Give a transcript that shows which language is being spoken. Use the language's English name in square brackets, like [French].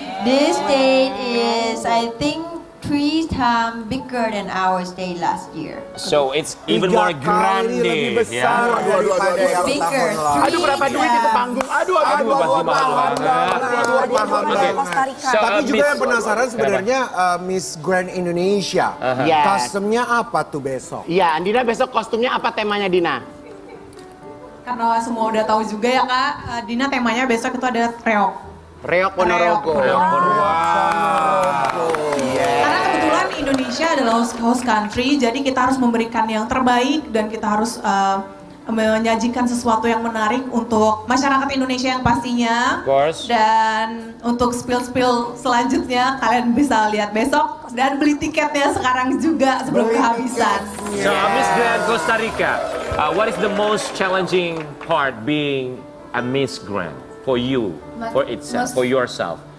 [English] This stage is, I think, 3 times bigger than our stage last year. So it's even more grand. Bigger. [Indonesian] Aduh, berapa duit itu panggung? Aduh, mahal. Tapi juga yang penasaran sebenarnya Miss Grand Indonesia. Kostumnya apa tuh besok? Iya, Dina, besok kostumnya apa temanya, Dina? Karena semua udah tahu juga ya kak, Dina temanya besok itu adalah reok. Reok Ponorogo. Karena kebetulan Indonesia adalah host country, jadi kita harus memberikan yang terbaik dan kita harus menyajikan sesuatu yang menarik untuk masyarakat Indonesia yang pastinya. [English] Of course. [Indonesian] Dan untuk spill selanjutnya kalian bisa lihat besok dan beli tiketnya sekarang juga sebelum kehabisan. [English] So I miss Grand Costa Rica. What is the most challenging part being a Miss Grand for you, for yourself?